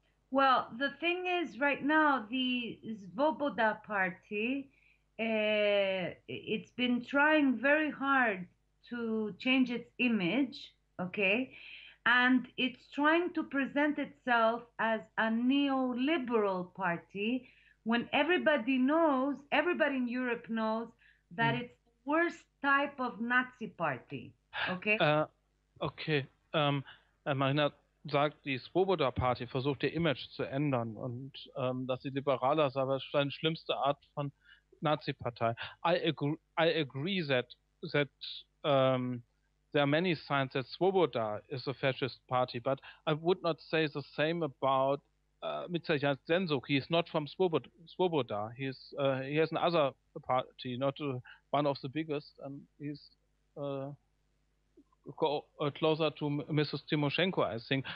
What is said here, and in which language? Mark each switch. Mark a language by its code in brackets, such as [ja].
[en] Well, the thing is, right now, the Svoboda party, it's been trying very hard to change its image, okay? And it's trying to present itself as a neoliberal party, when everybody knows, everybody in Europe knows, that it's the worst type of Nazi party, okay? [de] Okay, Marina sagt, die Svoboda-Party versucht ihr Image zu ändern und dass sie liberaler sei, aber es ist eine schlimmste Art von Nazi-Partei. [en] I agree that there are many signs that Svoboda is a fascist party, but I would not say the same about Mitsaryan-Sensuk, he is not from Svoboda. He has another party, not one of the biggest, and he's closer to Mrs. Tymoshenko, I think.